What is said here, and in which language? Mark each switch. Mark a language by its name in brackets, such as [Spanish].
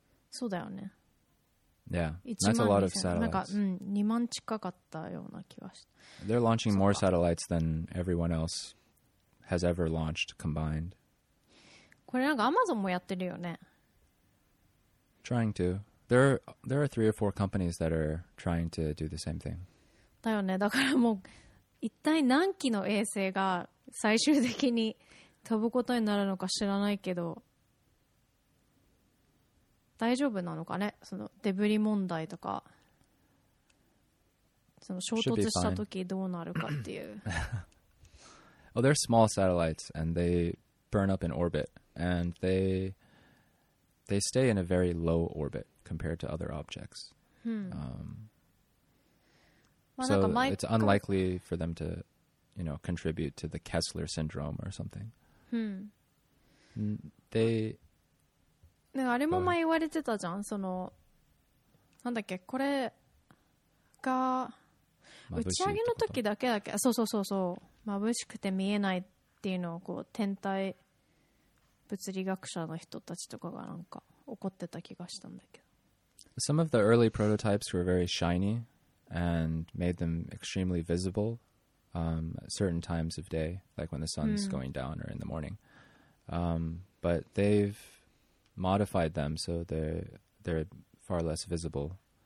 [Japanese] そうだよね。 [English] Yeah, that's a lot of satellites. [Japanese] なんか、うん、2万近かったような気がした。 [English] They're launching more satellites than everyone else has ever launched combined. [Japanese] これなんかアマゾンもやってるよね。 [English] Trying to. There are three or four companies that are trying to do the same thing. [Japanese] だよね。だからもう一体何機の衛星が最終的に飛ぶことになるのか知らないけど、大丈夫なのかね、そのデブリ問題とか、その衝突したときどうなるかっていう。 [English] Oh, they're small satellites and they burn up in orbit and they stay in a very low orbit compared to other objects. So it's unlikely for them to, you know, contribute to the Kessler syndrome or something. [Japanese] あれも前言われてたじゃん、その、なんだっけ、これが打ち上げの時だけだっけ、そうそうそうそう、眩しくて見えないっていうのをこう天体物理学者の人たちとかがなんか怒ってた気がしたんだけど。 [English] Some of the early prototypes were very shiny and made them extremely visible, certain times of day, like when the sun's going down or in the morning. But they've modified them so they're far less visible.